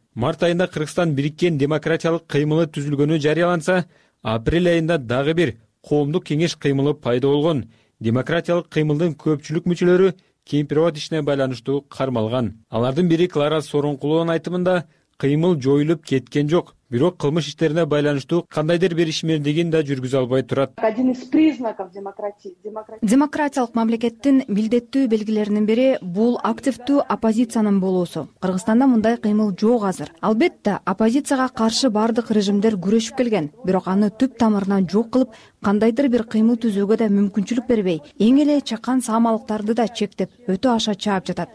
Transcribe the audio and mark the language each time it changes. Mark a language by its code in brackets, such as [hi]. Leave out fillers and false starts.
[ky] Март айында Кыргызстан бириккен демократиялык кыймылы түзүлгөнү жарыяланса, апрель айында дагы бир коомдук кеңеш кыймылы пайда болгон. Демократиялык кыймылдын көпчүлүк мүчөлөрү кемпировод ишине байланыштуу кармалган. Алардын бири Клара Сорункулованын айтымында кыймыл жоюлуп кеткен жок, Бирок кылмыш иштерине байланыштуу кандайдыр бир ишмердигин да жүргүзө албай турат. [ru] Один из признаков демократии. [ky] Демократиялык мамлекеттин милдеттүү белгилеринин бири бул активдүү оппозициянын болуусу. Кыргызстанда мындай кыймыл жок азыр. Албетте, оппозицияга каршы бардык режимдер күрөшүп келген, бирок аны түп тамырынан жок кылып, кандайдыр бир кыймыл түзөгө да мүмкүнчүлүк бербей, эң эле чакан саамалыктарды да чектеп, өтө аша чаап жатат.